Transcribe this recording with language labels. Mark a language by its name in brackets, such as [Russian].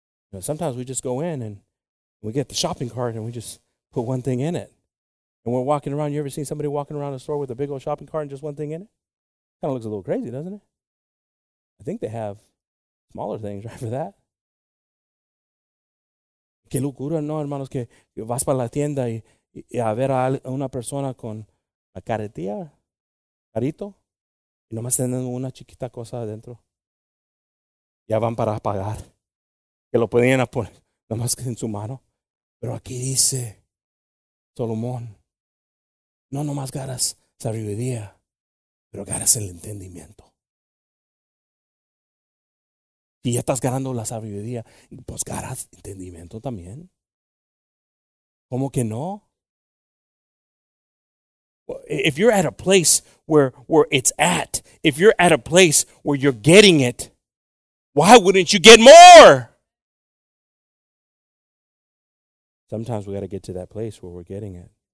[English] You know, sometimes we just go in and we get the shopping cart and we just put one thing in it. And we're walking around. You ever seen somebody walking around a store with a big old shopping cart and just one thing in it? Kind of looks a little crazy, doesn't it? I think they have smaller things, right, for that. [Spanish] Qué locura, no, hermanos, que vas para la tienda y a ver a una persona con la carretilla, carito, y nomás teniendo una chiquita cosa adentro. Ya van para pagar. Que lo podían poner nomás en su mano. Pero aquí dice Salomón, no nomás ganas sabiduría, pero ganas el entendimiento. Y ya estás ganando la sabiduría, pues ganas entendimiento también. ¿Cómo que no? [English] If you're at a place where it's at, if you're at a place where you're getting it, why wouldn't you get more? Sometimes we got to get to that place where we're getting it.